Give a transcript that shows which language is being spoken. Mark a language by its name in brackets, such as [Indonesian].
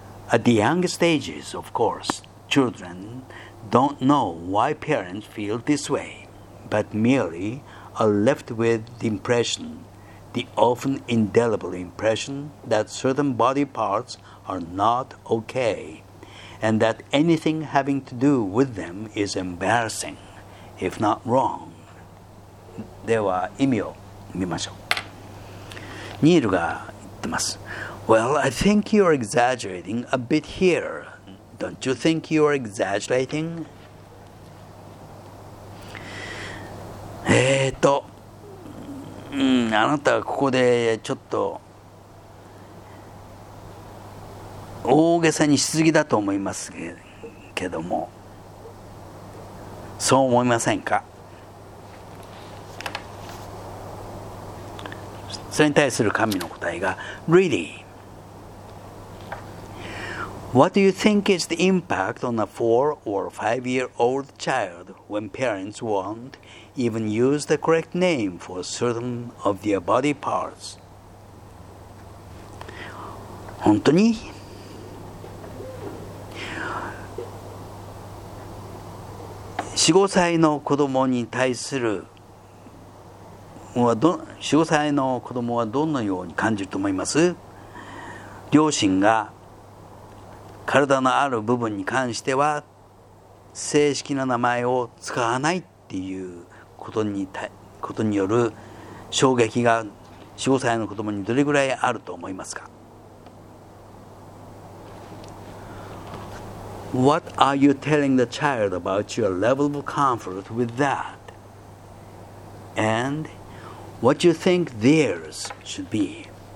[English] At the youngest ages, of course, children don't know why parents feel this way, but merely are left with the impression, the often indelible impression, that certain body parts are not okay, and that anything having to do with them is embarrassing, if not wrong. [Japanese] では意味を見ましょう。ニールが言ってます。 [English] Well, I think you're exaggerating a bit here. Don't you think you're exaggerating? [Japanese] あなたはここでちょっと大げさにしすぎだと思いますけども、そう思いませんか？それに対する神の答えが [English] Really? What do you think is the impact on a 4 or 5 year old child when parents won't even use the correct name for certain of their body parts? [Japanese] 本当に？四五歳の子供に対する4、5歳の子供はどのように感じると思います？両親が体のある部分に関しては正式な名前を使わないっていうことに、ことによる衝撃が4、5歳の子供にどれぐらいあると思いますか？ [English] What are you telling the child about your level of comfort with that? AndWhat you think theirs should be?